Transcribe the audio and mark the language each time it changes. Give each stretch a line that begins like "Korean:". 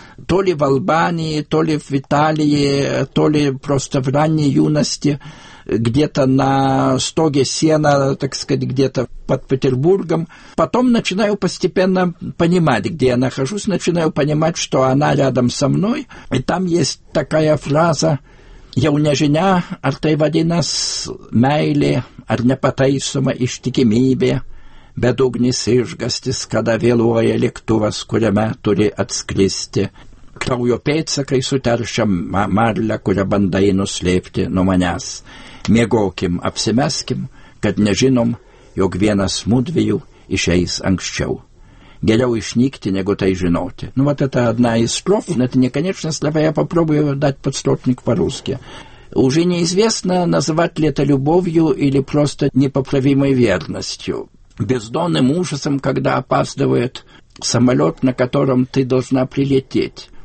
Russian: То ли в Албании, то ли в Италии, то ли просто в ранней юности, где-то на стоге сена, так сказать, где-то под Петербургом. Потом начинаю постепенно понимать, где я нахожусь, начинаю понимать, что она рядом со мной. И там есть такая фраза:
Lithuanian: «Я у нежиня, ар тай вадинас мэйли, ар не патаисума иштикимибе». Bedugnis išgastis, kada vėluoja lėktuvas, kuriame turi atskristi. Kraujo pėdsakai suteršia marlę, kurią bandai nuslėpti nuo manęs. Miegokim, apsimeskim, kad nežinom, jog vienas mudvijų išeis anksčiau. Geriau išnykti, negu tai žinoti.
Russian: Nu, vat eta одна из строф, но это не конечная слова, я попробую дать подстротник по-русски. Уже неизвестно, называть ли это любовью или просто непоправимой верностью. Бездонным ужасом, когда опаздывает самолет, на котором ты должна прилететь.